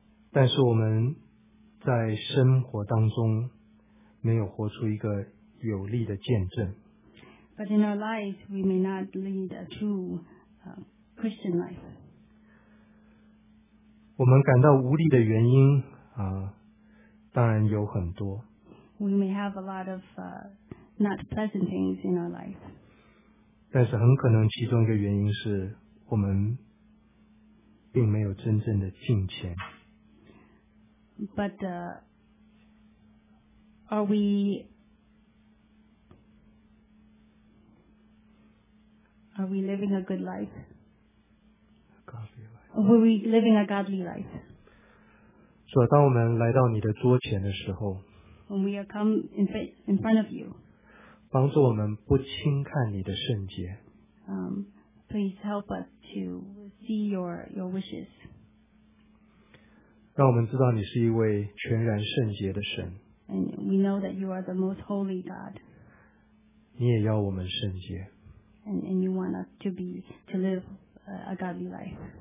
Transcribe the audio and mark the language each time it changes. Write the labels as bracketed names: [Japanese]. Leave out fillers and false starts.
[Chinese] 但是我们在生活当中没有活出一个有力的见证, [English] but in our lives we may not lead a true Christian life. [Chinese] 我们感到无力的原因, 当然有很多, [English] we may have a lot of not pleasant things in our life. [Chinese] 但是很可能其中一个原因是我们并没有真正的敬虔。 [English] But are we living a good life? A godly life. Were we living a godly life? [Chinese] 所以当我们来到你的桌前的时候, [English] when we are come in front of you, [Chinese] 帮助我们不轻看你的圣洁。 [English] Please help us to see your wishes. [Chinese] 让我们知道你是一位全然圣洁的神。 [English] And we know that you are the most holy God. [Chinese] 你也要我们圣洁。 [English] And you want us to live a godly life.